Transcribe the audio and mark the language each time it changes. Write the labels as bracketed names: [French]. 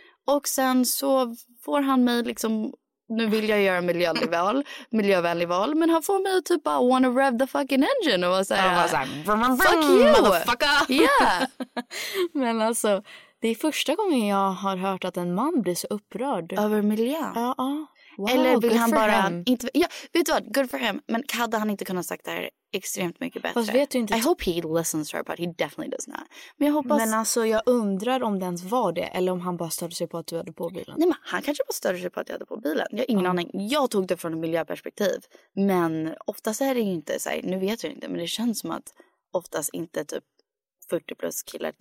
[Swedish] Och sen så får han mig liksom... Nu vill jag göra miljövänlig val, men han får mig att typ bara [English] wanna rev the fucking engine [Swedish] och säga [English] fuck you, motherfucker. Yeah. [Swedish] Men alltså, det är första gången jag har hört att en man blir så upprörd över miljön. Ja. Wow, eller vill han bara inte, ja, vet du vad, [English] good for him, [Swedish] men hade han inte kunnat sagt det här extremt mycket bättre? Fast vet du inte, [English] I hope he listens to her, but he definitely does not. [Swedish] Men jag hoppas, men alltså jag undrar om det ens var det, eller om han bara störde sig på att du hade på bilen. Nej, men han kanske bara störde sig på att jag hade på bilen. Jag har ingen aning, jag tog det från en miljöperspektiv. Men oftast är det ju inte så här, nu vet jag inte, men det känns som att oftast inte typ 40 plus killar.